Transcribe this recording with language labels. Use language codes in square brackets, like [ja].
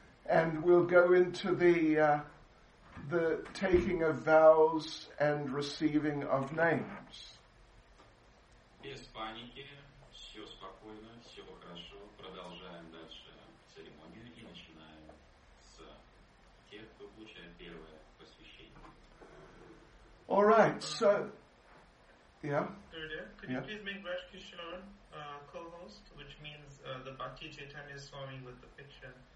[en] And we'll go into the taking of vows and receiving of names. [ru] Без паники, все спокойно, все хорошо. Продолжаем дальше церемонию и начинаем с тех, кто получает первое посвящение. [en] All right, so, yeah. Could you please make Raj Kishore co-host, which means the Bhakti Chaitanya Swami with the picture?